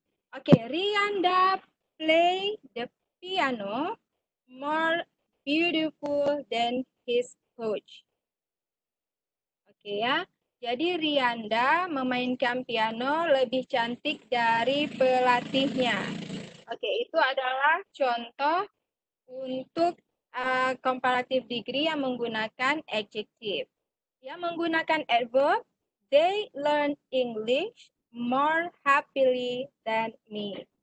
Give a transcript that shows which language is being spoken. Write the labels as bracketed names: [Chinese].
[English] Oke, Rianda play the piano more beautiful than his coach. [Indonesian] Oke ya, jadi Rianda memainkan piano lebih cantik dari pelatihnya. Oke, itu adalah contoh untuk comparative degree yang menggunakan adjective. Yang menggunakan [English] adverb, they learn English more happily than me.